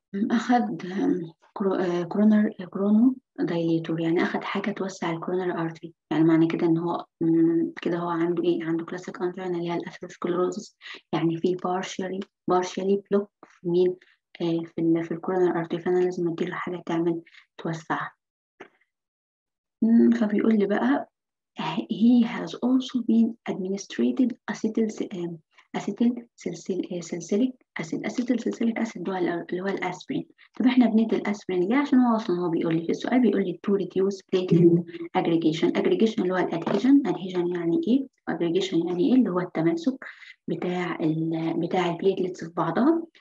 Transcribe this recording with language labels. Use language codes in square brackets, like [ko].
[ar] أخذ كورونر كرونو دايليتور، يعني أخذ حاجة توسع الكورونر أرتري، يعني معنى كده إن هو كده هو عنده إيه؟ عنده كلاسيك أنجينا اللي هي الأثيروسكلروسيس، يعني في بارشيالي بلوك في مين؟ في الكورونر أرتري، فأنا لازم أديله حاجة تعمل توسعها. فبيقول لي بقى [en] he has also been administered acetylsalicylic acid [ar] اللي هو الاسبرين. طب احنا بندي الاسبرين ليه؟ عشان هو اصلا هو بيقول لي في السؤال بيقول لي [en] to reduce platelet aggregation. [ar] aggregation اللي هو الادهيجن. ادهيجن يعني ايه؟ aggregation يعني ايه؟ اللي هو التماسك بتاع البليتلتس في بعضها.